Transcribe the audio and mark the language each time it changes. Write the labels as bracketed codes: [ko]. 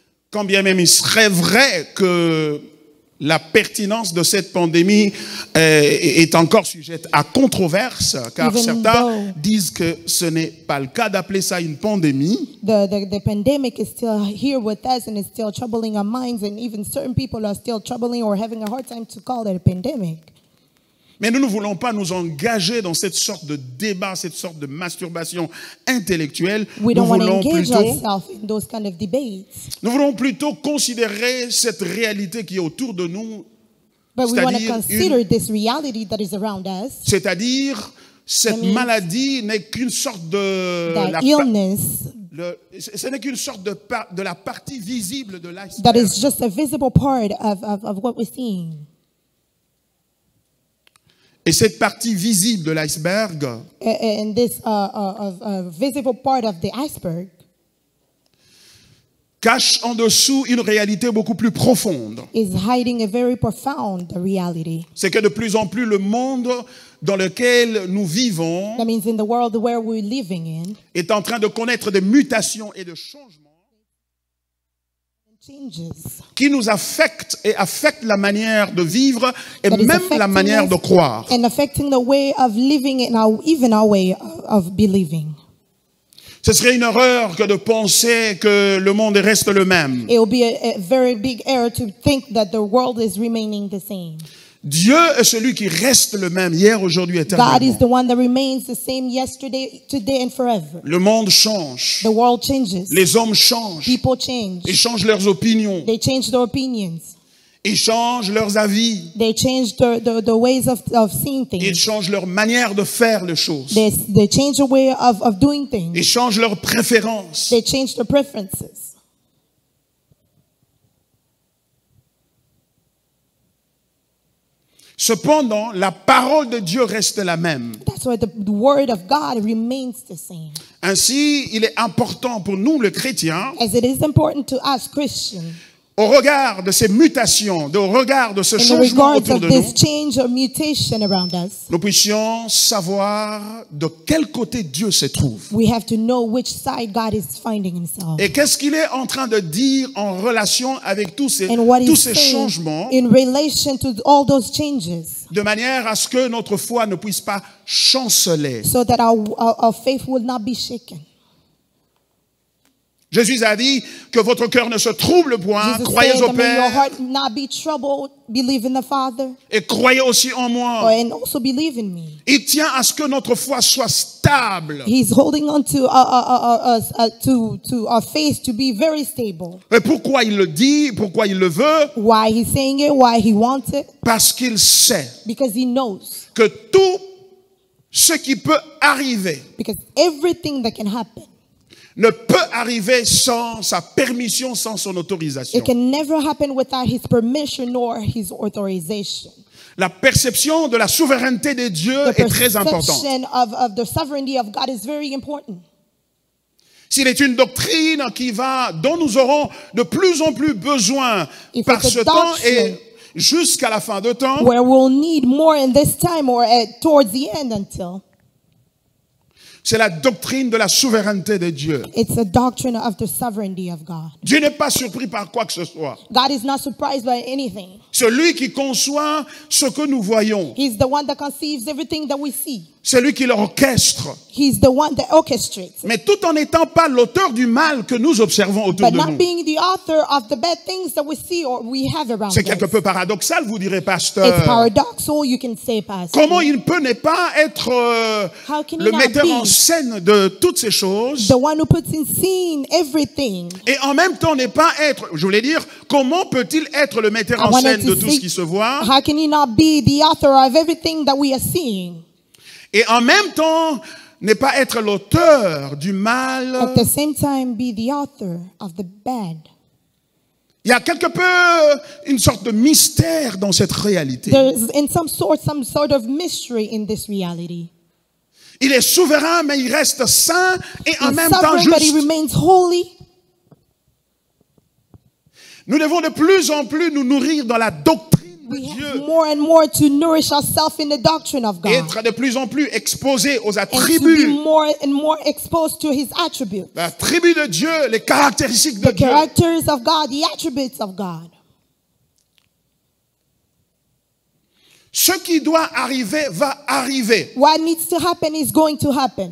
[fr] Quand bien même il serait vrai que la pertinence de cette pandémie est encore sujette à controverse, car [en] even [fr] certains disent que ce n'est pas le cas d'appeler ça une pandémie. [en] The pandemic is still here with us and it's still troubling our minds and even certain people are still troubling or having a hard time to call it a pandemic. [fr] Mais nous ne voulons pas nous engager dans cette sorte de débat, cette sorte de masturbation intellectuelle. [en] We don't want to engage ourselves in those kind of debates. [fr] Nous voulons plutôt considérer cette réalité qui est autour de nous. [en] But we want to consider this reality that is around us. [fr] C'est-à-dire, cette maladie n'est qu'une sorte de... ce n'est qu'une sorte de la partie visible de l'iceberg. [en] That is just a visible part of what we're seeing. [fr] Et cette partie visible de l'iceberg, [en] this visible part of the iceberg [fr] cache en dessous une réalité beaucoup plus profonde. [en] Is hiding a very profound reality. [fr] C'est que de plus en plus le monde dans lequel nous vivons [en] that means in the world where we're living in, [fr] est en train de connaître des mutations et de changements qui nous affecte et affecte la manière de vivre et même la manière de croire. [en] And affecting the way of living and even our way of believing. [fr] Ce serait une erreur que de penser que le monde reste le même. [en] It would be a very big error to think that the world is remaining the same. [fr] Dieu est celui qui reste le même hier, aujourd'hui, éternellement. [en] God is the one that remains the same yesterday, today and forever. [fr] Le monde change. [en] The world changes. [fr] Les hommes changent. [en] People change. [fr] Ils changent leurs opinions. [en] They change their opinions. [fr] Ils changent leurs avis. [en] They change the ways of seeing things. [fr] Ils changent leur manière de faire les choses. [en] They change the way of doing things. [fr] Ils changent leurs préférences. [en] They change their preferences. [fr] Cependant, la parole de Dieu reste la même. [en] That's why the word of God remains the same. [fr] Ainsi, il est important pour nous, les chrétiens, [en] as it is important to us, Christians, [fr] au regard de ces mutations, au regard de ce changement autour [en] of [fr] de [en] this [fr] nous, [en] change or mutation around us, [fr] nous puissions savoir de quel côté Dieu se trouve. [en] We have to know which side God is finding himself. [fr] Et qu'est-ce qu'il est en train de dire en relation avec tous ces, [en] and what [fr] tous ces changements [en] in relation to all those changes, [fr] de manière à ce que notre foi ne puisse pas chanceler. [en] So that our faith will not be shaken. [fr] Jésus a dit que votre cœur ne se trouble point, Jesus croyez [en] said, [fr] au Père. [en] May your heart not be troubled, believe in the Father. [fr] Et croyez aussi en moi. [en] Oh, and also believe in me. [fr] Il tient à ce que notre foi soit stable. [en] He's holding on to our faith to be very stable. [fr] Et pourquoi il le dit, pourquoi il le veut? [en] Why he's saying it, why he wants it? [fr] Parce qu'il sait. [en] Because he knows. [fr] Que tout ce qui peut arriver. [en] Because everything that can happen. [fr] Ne peut arriver sans sa permission, sans son autorisation. [en] It can never happen without his permission nor his authorization. [fr] La perception de la souveraineté de Dieu est très importante. [en] The perception of the sovereignty of God is very important. [fr] S'il est une doctrine qui va, dont nous aurons de plus en plus besoin par ce temps et jusqu'à la fin de temps. [en] Where we'll need more in this time or towards the end until. [fr] C'est la doctrine de la souveraineté de Dieu. [en] It's a doctrine of the sovereignty of God. [fr] Dieu n'est pas surpris par quoi que ce soit. [en] God is not surprised by anything. [fr] Celui qui conçoit ce que nous voyons. [en] He's the one that conceives everything that we see. [fr] C'est lui qui l'orchestre. [en] He's the one that orchestrates. [fr] Mais tout en n'étant pas l'auteur du mal que nous observons autour [en] but [fr] de nous. [en] But not being the author of the bad things that we see or we have around us. [fr] C'est quelque peu paradoxal, vous direz, pasteur. [en] It's paradoxal, you can say, pastor. [fr] Comment il peut ne pas être le metteur en scène de toutes ces choses? [en] The one who puts in scene everything. [fr] Et en même temps ne pas être, je voulais dire, comment peut-il être le metteur en scène de tout ce qui se voit? [en] How can he not be the author of everything that we are seeing? [fr] Et en même temps, ne pas être l'auteur du mal. [en] At the same time, be the author of the bad. [fr] Il y a quelque peu une sorte de mystère dans cette réalité. [en] There's in some sort of mystery in this reality. [fr] Il est souverain, mais il reste saint et en même temps juste. [en] But he remains holy. [fr] Nous devons de plus en plus nous nourrir dans la doctrine. [en] We have more and more to nourish ourselves in the doctrine of God. [fr] Être de plus en plus exposé aux attributs. [en] And to be more and more exposed to his attributes. [fr] La tribu de Dieu, les caractéristiques de Dieu. [en] The characters of God, the attributes of God. [fr] Ce qui doit arriver va arriver. [en] What needs to happen is going to happen.